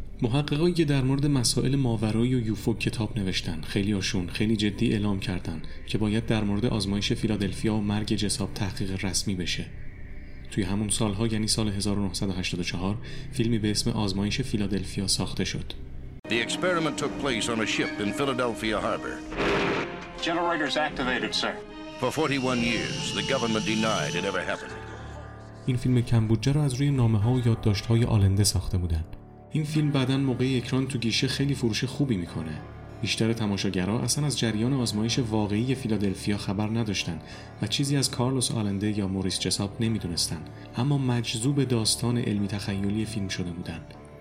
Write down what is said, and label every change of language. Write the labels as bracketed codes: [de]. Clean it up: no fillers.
[fa] محققایی که در مورد مسائل ماورایی و یوفو کتاب نوشتن، خیلی‌هاشون خیلی جدی اعلام کردند که باید در مورد آزمایش فیلادلفیا و مرگ جساب تحقیق رسمی بشه. توی همون سالها، یعنی سال 1984، فیلمی به اسم آزمایش فیلادلفیا ساخته شد. [en] The experiment took place on a ship in Philadelphia Harbor. Generators activated, sir. For 41 years, the government denied it ever happened. [fa] این فیلم کم بودجه رو از روی نامه‌ها و یادداشت‌های آلنده ساخته بودند. این فیلم بعداً موقع اکران تو گیشه خیلی فروش خوبی میکنه. بیشتر تماشاگرها اصلا از جریان آزمایش واقعی فیلادلفیا خبر نداشتند و چیزی از کارلوس آلنده یا موریس جساب نمی‌دونستند، اما مجذوب داستان علمی تخیلی فیلم شده بودند.